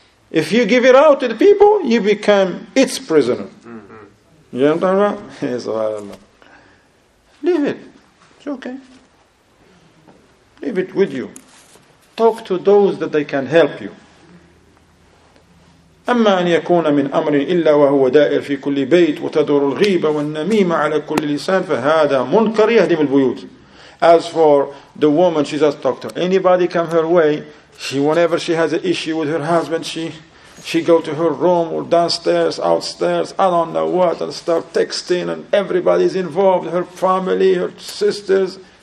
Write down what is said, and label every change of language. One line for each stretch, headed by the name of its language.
English: If you give it out to the people, you become its prisoner. Mm-hmm. You know what I'm talking about? Leave it. It's okay. Leave it with you. Talk to those that they can help you.
Arabic: أما أن يكون من أمر إلا وهو دائر في كل بيت وتدور الغيبة والنميمة على كل لسان فهذا منكر يهدم البيوت.
English: As for the woman, she just talked to anybody come her way. She, whenever she has an issue with her husband, she go to her room or downstairs, outstairs, I don't know what, and start texting, and everybody's involved, her family, her sisters.